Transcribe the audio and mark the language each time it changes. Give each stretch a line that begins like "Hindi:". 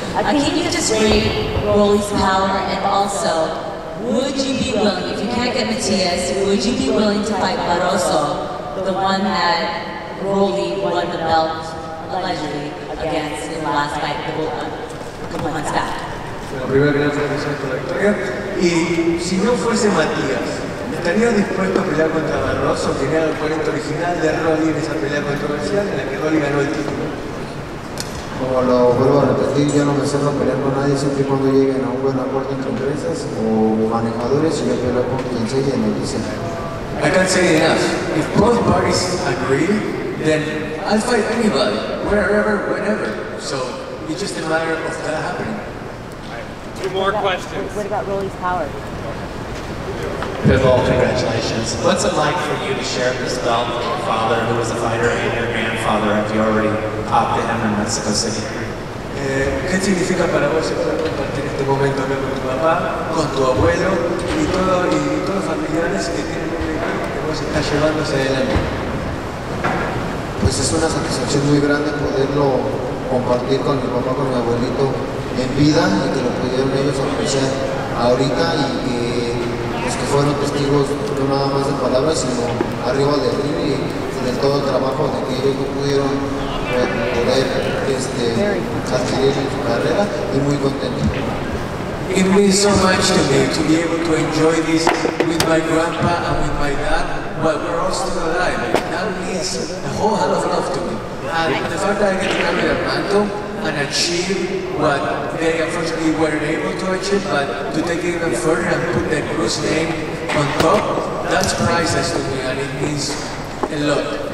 English: Can you just rate Rolly's power? And also, would you be willing, if you can't get Matias, would you be willing to fight Barroso, the one that Rolly won the belt allegedly against in the last fight, the bull fight, a couple months back?
Spanish: Primero, gracias a Isaac por la victoria. Y si no fuese Matías, ¿estaría dispuesto a pelear contra Barroso, que era el oponente original de Rolly en esa pelea controversial en la que Rolly ganó el título? Como lo vuelvo a repetir, yo no me cerro a pelear con nadie siempre y cuando lleguen a un buen acuerdo entre empresas o manejadores, y yo peleo con quien sea y me dicen.
English: I can't say enough. If both parties agree, then I'll fight anybody, wherever, whenever. So it's just a matter of that happening. Two more questions. What about Rolly's power? Pitbull, congratulations. What's it like for you to share this belt with your father, who was a fighter, and your grandfather, if you already popped him in Mexico City?
Spanish: ¿Qué significa para vos compartir este momento con tu papá, con tu abuelo, y todos los familiares que tienen un que vos estás llevándose adelante? Pues es una satisfacción muy grande poderlo compartir con mi papá, con mi abuelito, en vida, y que lo pudieron ellos apreciar ahorita, y que que fueron testigos no nada más de palabras, sino arriba del ring y de todo el trabajo de que ellos no pudieron poder adquirir en su carrera, y muy contento.
English: It means so much to me to be able to enjoy this with my grandpa and with my dad, but we're all still alive. That means a whole lot of love to me. And the fact that I get to come here and achieve what they unfortunately weren't able to achieve, but to take it even further and put the Cruz name on top, that's priceless to me, and it means a lot.